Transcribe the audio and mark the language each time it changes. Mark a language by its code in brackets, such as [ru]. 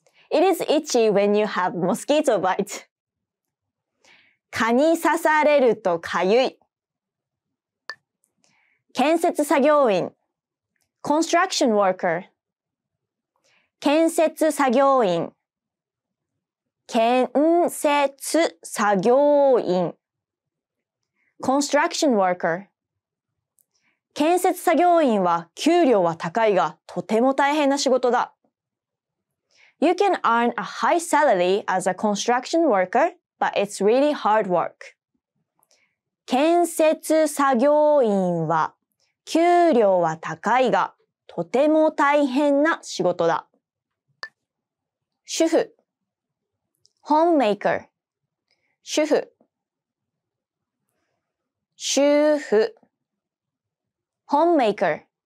[en] It is itchy when you have mosquito bite. [ja] 蚊に刺されるとかゆい。建設作業員 [en] Construction worker [ja] 建設作業員建設作業員Construction worker. 建設作業員は給料は高いがとても大変な仕事だ。 [en] You can earn a high salary as a construction worker, but it's really hard work. [ja] 建設作業員は給料は高いがとても大変な仕事だ。主婦 [en] homemaker. 主婦主婦 homemaker.